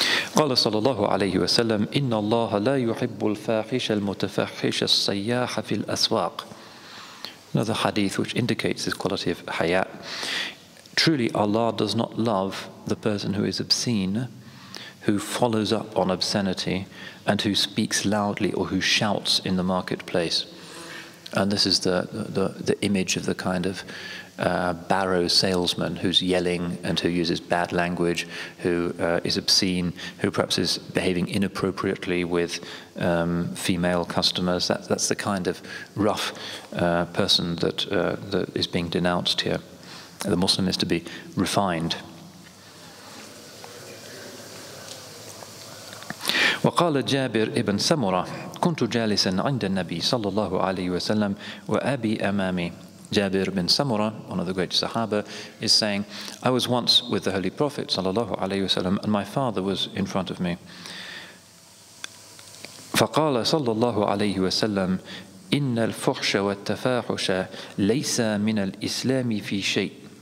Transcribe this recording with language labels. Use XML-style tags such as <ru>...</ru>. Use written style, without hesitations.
<ar>قال صلى الله عليه وسلم إن الله لا يحب الفاحش المتفحش السياح في الأسواق.</ar> <en>Another hadith which indicates this quality of hayat. Truly Allah does not love the person who is obscene, who follows up on obscenity, and who speaks loudly or who shouts in the marketplace. And this is the image of the kind of barrow salesman who's yelling and who uses bad language, who is obscene, who perhaps is behaving inappropriately with female customers. That's the kind of rough person that is being denounced here. The Muslim is to be refined.</en> <ar>وقال جابر ابن سمرة كنت جالسا عند النبي صلى الله عليه وسلم وأبي أمامي.</ar> <en>Jabir bin Samura, one of the great Sahaba, is saying, I was once with the Holy Prophet sallallahu alayhi wasallam, and my father was in front of me.</en> <ar>فَقَالَ صَلَّى اللَّهُ عَلَيْهِ وَسَلَّمْ إِنَّ الْفُحْشَ وَالتَّفَاحُشَ لَيْسَ مِنَ الْإِسْلَامِ فِي شَيْءٍ.</ar>